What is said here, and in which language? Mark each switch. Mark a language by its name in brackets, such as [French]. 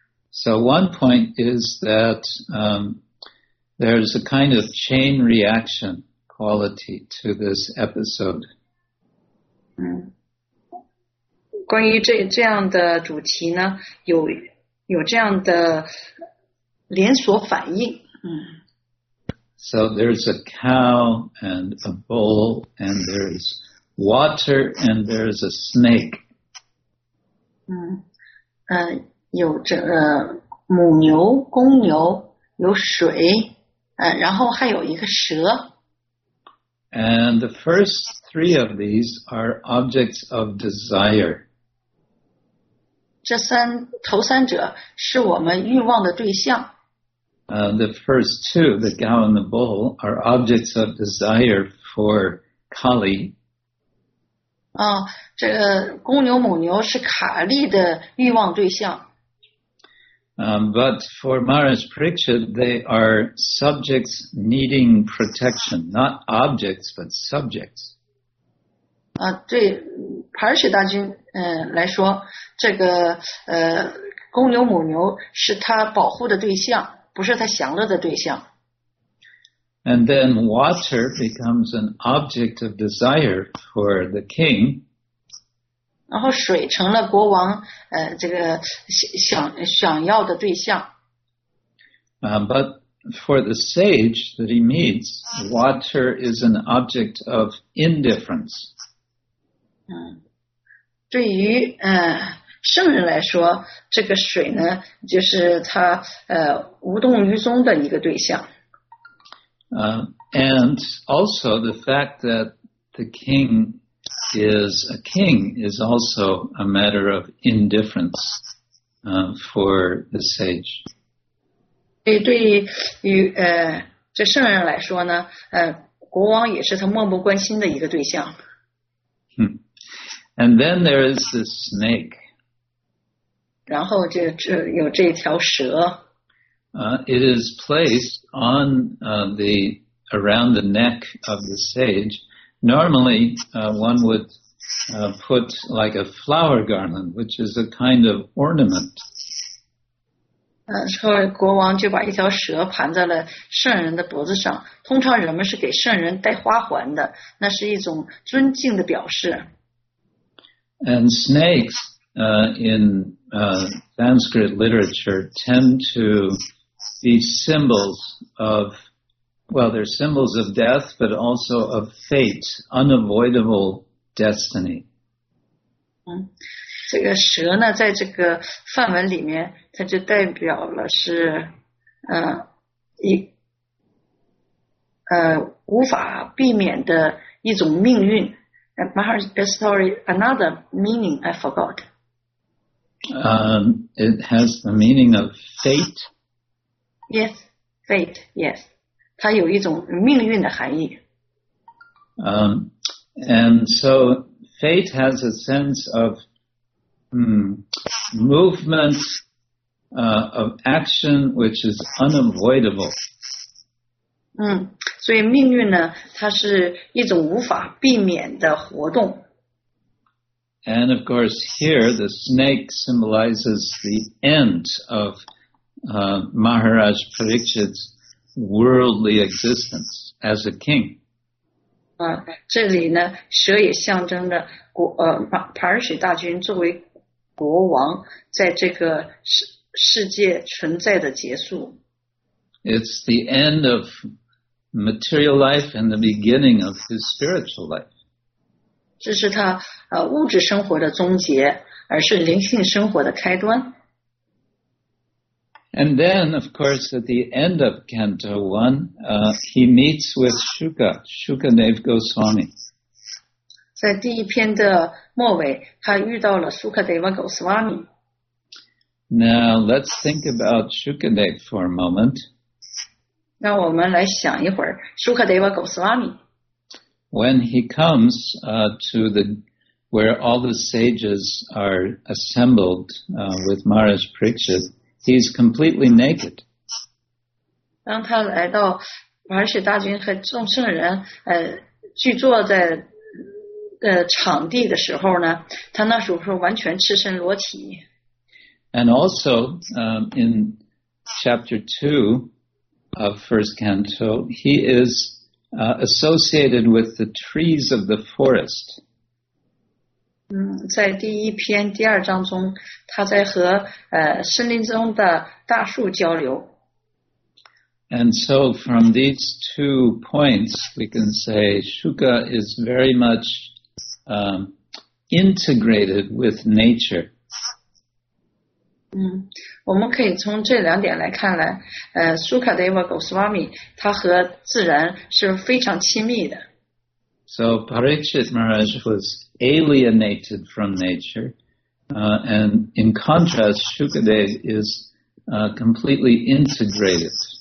[English] So one point is that there's a kind of chain reaction quality to this episode. [Chinese] 关于这样的主题呢，有这样的连锁反应。 [English] So there's a cow and a bull, and there's water and there is a snake. [Chinese] 有这母牛、公牛，有水，然后还有一个蛇。 [English] And the first three of these are objects of desire. [Chinese] 这三头三者是我们欲望的对象。 [English] The first two, the cow and the bull, are objects of desire for Kali. [Chinese] 这个公牛母牛是卡利的欲望对象。 [English] But for Maharaj Parikshit, they are subjects needing protection, not objects, but subjects. [Chinese] 对 Parikshit 大君来说，这个公牛母牛是他保护的对象，不是他享乐的对象。 [English] And then water becomes an object of desire for the king. [Chinese] 然后水成了国王这个想要的对象。 [English] But for the sage that he meets, water is an object of indifference. [Chinese] 对于圣人来说，这个水呢，就是他无动于衷的一个对象。 [English] And also the fact that the king is a king is also a matter of indifference for the sage. [Chinese] 对于这圣人来说呢，国王也是他漠不关心的一个对象。 [English] And then there is the snake. [Chinese] 然后就有这条蛇。 [English] It is placed on around the neck of the sage. Normally, one would put like a flower garland, which is a kind of ornament. [Chinese] 后来国王就把一条蛇盘在了圣人的脖子上。通常人们是给圣人戴花环的，那是一种尊敬的表示。 [English] And snakes in Sanskrit literature tend to these symbols of, well, they're symbols of death, but also of fate, unavoidable destiny. [Chinese] 这个蛇呢，在这个梵文里面，它就代表了是，无法避免的一种命运。 [English] Another meaning I forgot. It has the meaning of fate. Yes, fate, yes. [Chinese] 它有一种命运的含义。 [English] And so fate has a sense of movement, of action, which is unavoidable. [Chinese] 所以命运呢，它是一种无法避免的活动。 [English] And of course, here the snake symbolizes the end of Maharaj Parikshit's worldly existence as a king. [Chinese] 这里呢，蛇也象征着Parikshit 大君作为国王在这个世界存在的结束。 [English] It's the end of material life and the beginning of his spiritual life. [Chinese] 这是他物质生活的终结，而是灵性生活的开端。 [English] And then, of course, at the end of Canto 1, he meets with Shukadev Goswami. [Chinese] 在第一篇的末尾，他遇到了 Shukadeva Goswami. [English] Now, let's think about Shukadev for a moment. [Chinese] 让我们来想一会儿 Shukadeva Goswami. [English] When he comes to the where all the sages are assembled with Maharaj Parikshit, he's completely naked. [Chinese] 当他来到玛雪大军和众圣人聚坐在场地的时候呢，他那时候是完全赤身裸体。 [English] And also, in chapter 2 of first canto, he is associated with the trees of the forest. [Chinese] 在第一篇第二章中，他在和森林中的大树交流。 [English] And so from these two points, we can say Shuka is very much integrated with nature. [Chinese] 我们可以从这两点来看来，Sukadeva Goswami 他和自然是非常亲密的。 [English] So Parikshit Maharaj was alienated from nature, and in contrast, Sukadeva is completely integrated.